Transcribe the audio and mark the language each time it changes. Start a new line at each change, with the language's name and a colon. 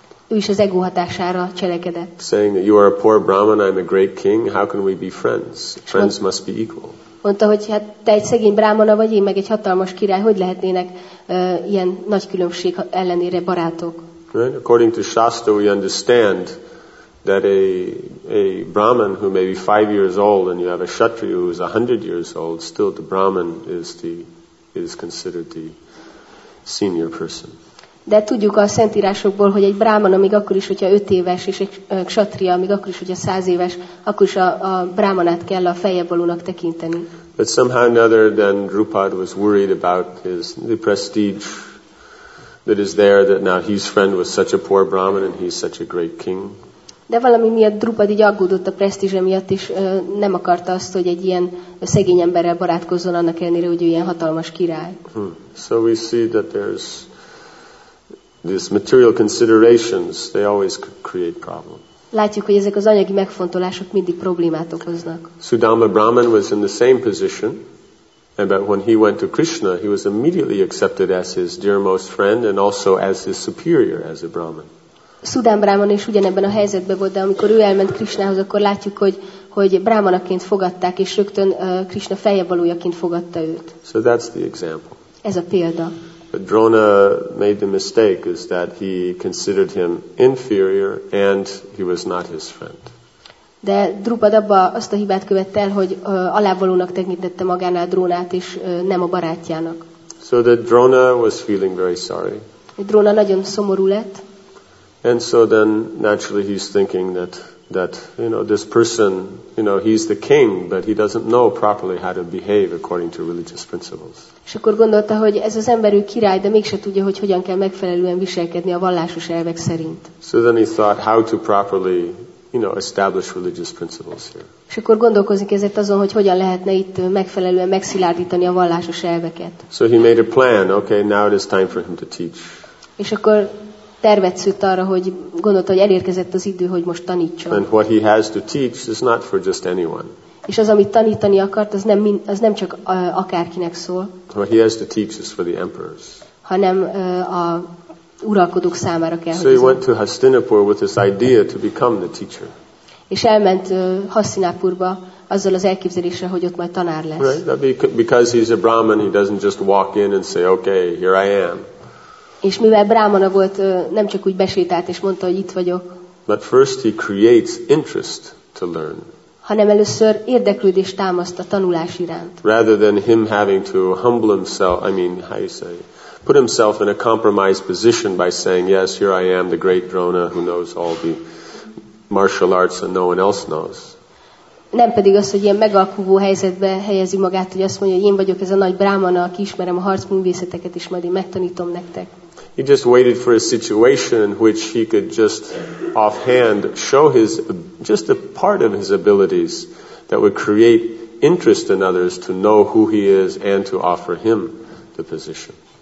Hungarian: Ő is az ego hatására cselekedett.
English: Saying that you are a poor Brahman, I'm a great king, how can we be friends? Friends must be equal.
Hungarian: Mondta, hogy hát te egy szegény brámana vagy, én meg egy hatalmas király, hogy lehetnének ilyen nagy különbség ellenére barátok?
English: Right? According to Shastra, we understand that a Brahman who may be 5 years old and you have a Kshatriya who is 100 years old, still the Brahman is considered the senior person.
Hungarian: De tudjuk a szentírásokból, hogy egy brámana még akkor is, hogyha 5 éves, és egy ksatria még akkor is, hogyha 100 éves, akkor is a brámanát kell a feljebb valónak tekinteni.
English: But somehow another than Drupad was worried about the prestige that is there, that now his friend was such a poor brahman and he's such a great king.
Hungarian: De valami miatt Drupad így aggódott a presztízse miatt, és nem akarta azt, hogy egy ilyen szegény emberrel barátkozzon, annak ellenére, hogy ő ilyen hatalmas király.
English: So we see that there's these material considerations, they always create problems.
Hungarian: Látjuk, hogy ezek az anyagi megfontolások mindig problémát okoznak.
English: Sudama Brahman was in the same position, but when he went to Krishna, he was immediately accepted as his dearmost friend and also as his superior as a Brahman.
Hungarian: Sudama Brahman is ugyanebben a helyzetben volt, de amikor ő elment Krishnához, akkor látjuk, hogy brámanaként fogadták, és rögtön Krishna feljebb valójaként fogadta őt.
English: So that's the example.
Hungarian: Ez a példa.
English: But Drona made the mistake is that he considered him inferior and he was not his friend.
Hungarian: De Drupad abba azt a hibát követte el, hogy alávalónak tekintette magánál Drónát, és nem a barátjának.
English: So that Drona was feeling very sorry.
Hungarian: Drona nagyon szomorú lett.
English: And so then naturally he's thinking that you know, this person, you know, he's the king, but he doesn't know properly how to behave according to religious principles.
Hungarian: És akkor gondolta, hogy ez az ember ő király, de mégse tudja, hogy hogyan kell megfelelően viselkedni a vallásos elvek szerint.
English: So then he thought how to properly, you know, establish religious principles here.
Hungarian: És akkor gondolkozni kezdett azon, hogy hogyan lehetne itt megfelelően megszilárdítani a vallásos elveket.
English: So he made a plan, okay, now it is time for him to teach.
Hungarian: És akkor tervet szült arra, hogy gondolta, hogy elérkezett az idő, hogy most tanítson.
English: And what he has to teach is not for just anyone.
Hungarian: És az, amit tanítani akart, az nem csak akárkinek szól.
English: What he has to teach is for the emperors.
Hungarian: Hanem a uralkodók számára kell.
English: So he went to Hastinapur with this idea to become the teacher.
Hungarian: És elment Hastinapurba azzal az elképzeléssel, hogy ott majd tanár lesz.
English: Right, because he's a Brahman, he doesn't just walk in and say, okay, here I am.
Hungarian: És mivel brámana volt, nem csak úgy besétált és mondta, hogy itt vagyok.
English: But first he creates interest to learn.
Hungarian: Hanem először érdeklődést támaszt a tanulás iránt.
English: Rather than him having to humble himself, put himself in a compromised position by saying, yes, here I am, the great Drona who knows all the martial arts and no one else knows.
Hungarian: Nem pedig az, hogy ilyen megalkuvó helyzetbe helyezi magát, hogy azt mondja, hogy én vagyok ez a nagy brámana, aki ismerem a harcművészeteket, és majd én megtanítom nektek.
English: He just waited for a situation in which he could just offhand show his, just a part of his abilities that would create interest in others to know who he is and to offer him the position.